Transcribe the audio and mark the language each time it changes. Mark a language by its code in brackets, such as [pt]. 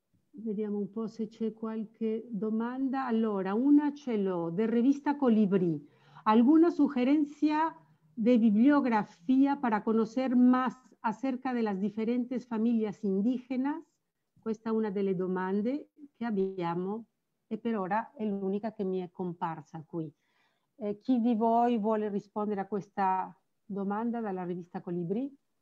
[it] Vediamo un po' se c'è qualche domanda. Allora, una ce l'ho, de Revista Colibrí. [es] ¿Alguna sugerencia de bibliografía para conocer más acerca de las diferentes familias indígenas? [it] Questa è una delle domande che abbiamo, e per ora è l'unica che mi è comparsa qui. Chi di voi vuole rispondere a questa domanda dalla Rivista Colibrí?